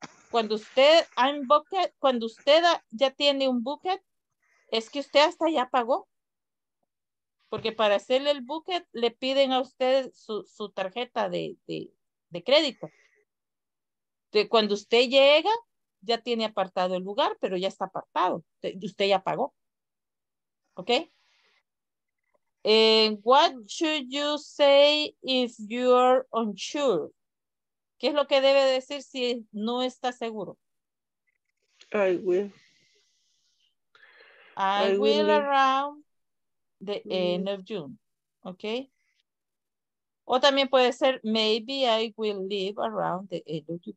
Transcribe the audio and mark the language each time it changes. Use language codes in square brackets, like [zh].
[es] Cuando usted, [en] I'm booked, [es] cuando usted ya tiene un booked, es que usted hasta ya pagó. Porque para hacerle el booked, le piden a usted su tarjeta de crédito. Entonces, cuando usted llega, ya tiene apartado el lugar, pero ya está apartado. Usted ya pagó. ¿Ok? [en] And what should you say if you're unsure? [es] ¿Qué es lo que debe decir si no está seguro? [en] I will around the end of June. Okay. [es] O también puede ser [en] maybe I will leave around the end of June.